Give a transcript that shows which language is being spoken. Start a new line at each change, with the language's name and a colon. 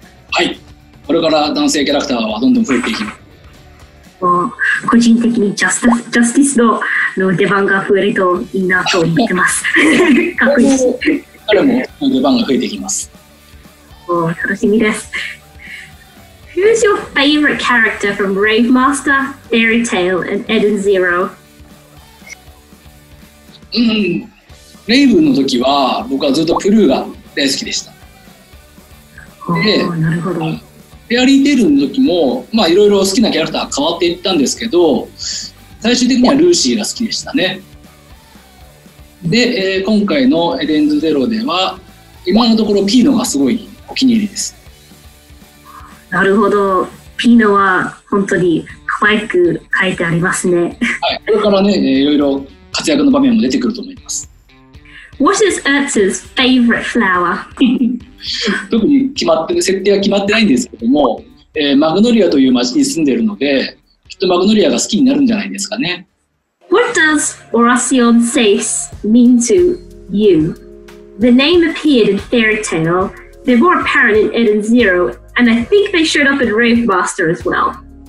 Japanese: はい。これから男性キャラクターはどんどん増えていきます。個人的にジャスティスの出番が増えるといいなと思ってます。かっこいいし。彼も出番が増えていきます。楽しみです。
English: Who's your favorite character from Rave Master, Fairy Tail, and Eden Zero?
Japanese: Rave の時は僕はずっとプルーが大好きでした。で、なるほど。フェアリーテールの時もまあいろいろ好きなキャラクター変わっていったんですけど、最終的にはルーシーが好きでしたね。で、今回のエデンズゼロでは今のところピーノがすごいお気に入りです。なるほど、ピーノは本当に可愛く書いてありますね。はい、これからね、いろいろ活躍の場面も出てくると思います。
English: What is Ertz's favorite flower?
Japanese: 特に決まって設定は決まってないんですけども、マグノリアという町に住んでいるので、きっとマグノリアが好きになるんじゃないですかね。
English: What does Orasion Seis mean to you? The name appeared in Fairy Tale, they were apparent in Eden Zero, and I think they showed up in Rave Master as well.